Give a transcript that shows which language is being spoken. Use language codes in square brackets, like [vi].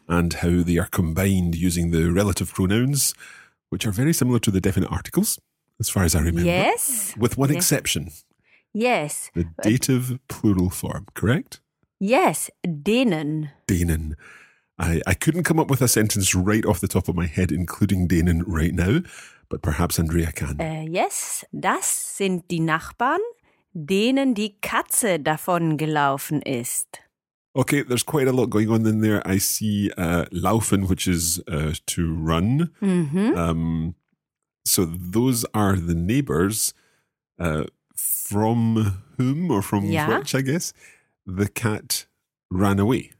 [en] And how they are combined using the relative pronouns, which are very similar to the definite articles, as far as I remember. Yes. With one exception. Yes. The dative plural form, correct? Yes. Denen. Denen. I couldn't come up with a sentence right off the top of my head, including denen right now. But perhaps Andrea can. [de] Yes, das sind die Nachbarn, denen die Katze davon gelaufen ist. [en] Okay, there's quite a lot going on in there. I see laufen, which is to run. Mm-hmm. So those are the neighbors from whom or from which, I guess, the cat ran away.